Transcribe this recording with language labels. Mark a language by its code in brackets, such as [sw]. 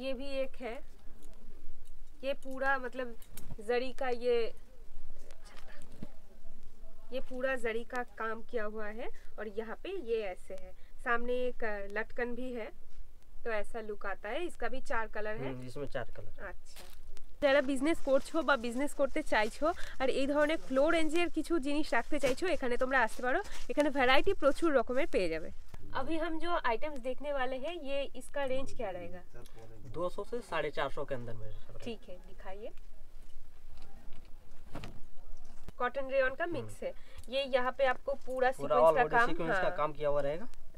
[hi] ये भी एक है, ये पूरा मतलब जरी का, ये पूरा जरी का काम किया हुआ है और यहाँ पे ये ऐसे है, सामने एक लटकन भी है, तो ऐसा लुक आता है। इसका भी चार कलर है, इसमें चार कलर। अच्छा, जरा बिजनेस कोर्स हो बा बिजनेस करते चाहो और [bn] এই ধরনের ফ্লোর এঞ্জিয়ার কিছু জিনিস রাখতে চাইছো, এখানে তোমরা আসতে পারো, এখানে ভ্যারাইটি প্রচুর রকমের পেয়ে যাবে। [hi] अभी हम जो आइटम्स देखने वाले हैं, ये इसका रेंज क्या रहेगा? 200 से 450 के अंदर में। ठीक है, दिखाइए। कॉटन रेयॉन का मिक्स है ये, यहाँ पे आपको पूरा सीक्वेंस का काम किया हुआ रहेगा।